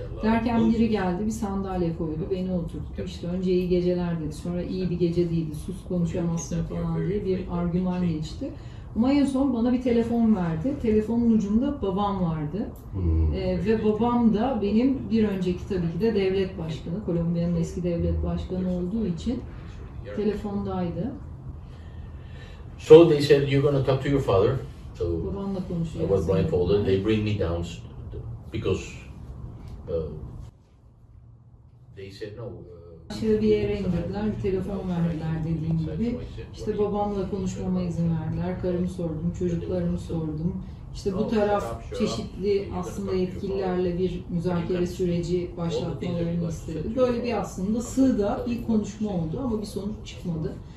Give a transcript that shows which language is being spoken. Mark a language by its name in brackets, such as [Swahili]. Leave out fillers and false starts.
[Turkish] Derken biri geldi, bir sandalye koydu, beni oturttu. İşte önce iyi geceler dedi, sonra iyi bir gece değildi, sus konuşamazsın falan diye bir argüman geçti. Ama en son bana bir telefon verdi. Telefonun ucunda babam vardı. Ve babam da benim bir önceki tabii ki de devlet başkanı, Kolombiya'nın eski devlet başkanı olduğu için telefondaydı. [English] So they said you're going to talk to your father. So [Turkish] babamla konuşuyor. [English] I was blindfolded. They bring me down because they said no. [Turkish] Aşağı bir yere indirdiler, bir telefon verdiler dediğim gibi. İşte babamla konuşmama izin verdiler. Karımı sordum, çocuklarımı sordum. İşte bu taraf çeşitli aslında yetkililerle bir müzakere süreci başlatmalarını istedi. Böyle bir aslında sığda bir konuşma oldu ama bir sonuç çıkmadı.